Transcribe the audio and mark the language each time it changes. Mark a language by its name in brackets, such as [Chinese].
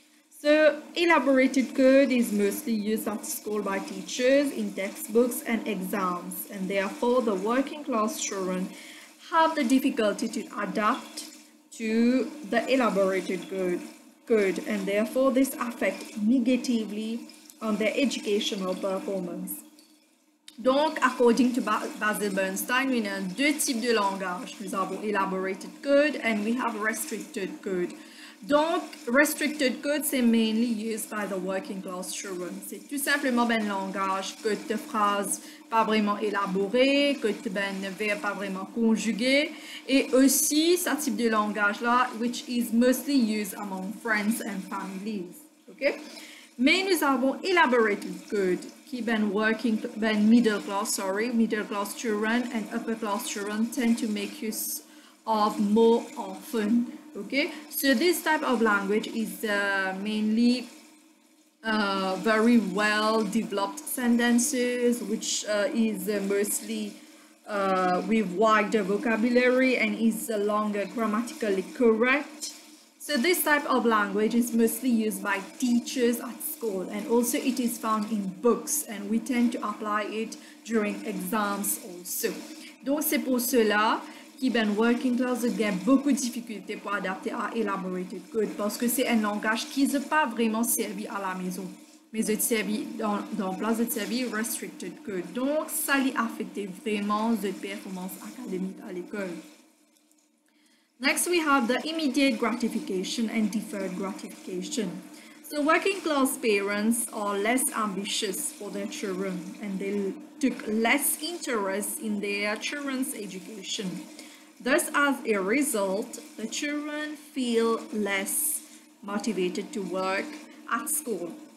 [English] So elaborated code is mostly used at school by teachers in textbooks and exams, and therefore the working class children have the difficulty to adapt to the elaborated code, and therefore this affects negatively on their educational performance. Donc, according to Basil Bernstein, we have two types of language. We have elaborated code and we have restricted code. Donc, restricted code is mainly used by the working class children. [French] C'est tout simplement ben langage, code de phrase pas vraiment élaboré, code ben verbe pas vraiment conjugué. Et aussi, ce type de langage-là, [English] which is mostly used among friends and families. Okay? [French] Mais nous avons [English] elaborated code. Qui ben working ben middle class children and upper class children tend to make use of more often. Okay, so this type of language is mainly very well developed sentences, which is mostly with wider vocabulary and is longer grammatically correct. So this type of language is mostly used by teachers at school, and also it is found in books, and we tend to apply it during exams also. [French] Donc c'est pour cela qu'il ben working class a beaucoup de difficultés pour adapter à elaborated code, parce que c'est un langage qui n'est pas vraiment servi à la maison, mais est servi dans place de servir restricted code. Donc ça lui affecte vraiment de performance académique à l'école. [English] Next we have the immediate gratification and deferred gratification. So working class parents are less ambitious for their children and they took less interest in their children's education. Thus, as a result, the children feel less motivated to work at school.